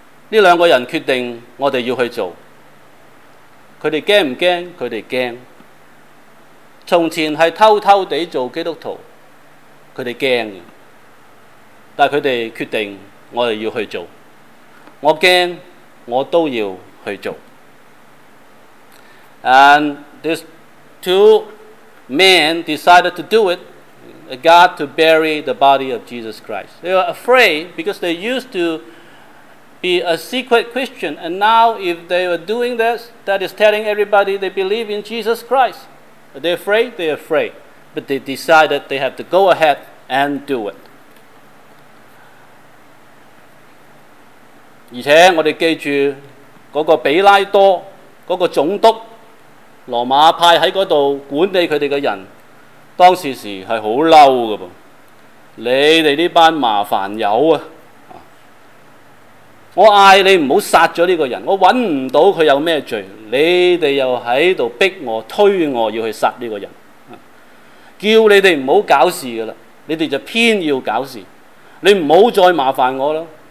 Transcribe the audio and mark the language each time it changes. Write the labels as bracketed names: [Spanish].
[Chinese] 这两个人决定我们要去做，他们怕不怕？他们怕。从前是偷偷地做基督徒，他们怕的，但他们决定我们要去做，我怕我都要去做。 [English] And these two men decided to do it, got to bury the body of Jesus Christ. They were afraid because they used to be a secret Christian, and now if they were doing this, that is telling everybody they believe in Jesus Christ. They're afraid, but they decided they have to go ahead and do it. [Chinese] 而且我们记住那个比拉多那个总督，罗马派在那里管理他们的人，当时是很生气的，你们这班麻烦友啊，我叫你不要杀了这个人，我找不到他有什么罪，你们又在这里逼我推我要去杀这个人，叫你们不要搞事了，你们就偏要搞事，你不要再麻烦我了。